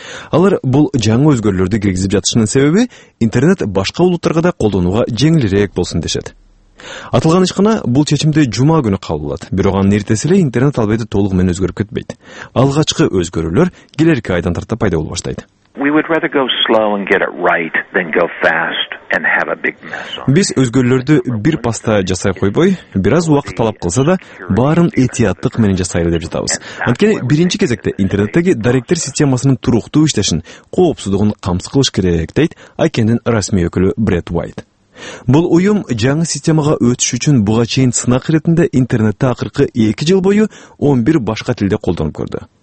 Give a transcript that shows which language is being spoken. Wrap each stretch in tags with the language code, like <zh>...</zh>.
<ky>Алар бул жаңы өзгөрүүлөрдү киргизип жатышынын себеби интернет башка улуттарга да колдонууга жеңилирээк болсун дешет. Аталган ишкана бул чечимди жума күнү кабылдады, бирок анын эртеси эле интернет албетте толугу менен өзгөрүп кетпейт. Алгачкы өзгөрүүлөр келерки айдан тарта пайда боло баштайт.</ky> <en>We would rather go slow and get it right than go fast and have a big mess.</en> <ky>Биз өзгөрлөрдү бир паста жасай койбой, бир аз убакыт талап кылса да, баарын этияттык менен жасайлы деп жатабыз. Анткени биринчи кезекте интернеттеги директор системасынын туруктуу иштешин, коопсуздугун камсыз кылыш керек, дейт Айкендин расмий өкүлү Брэд Уайт. Бул уюм жаңы системага өтүш үчүн буга чейин сынак иретинде интернетти акыркы 2 жыл бою 11 башка тилде колдонуп көрдү.</ky>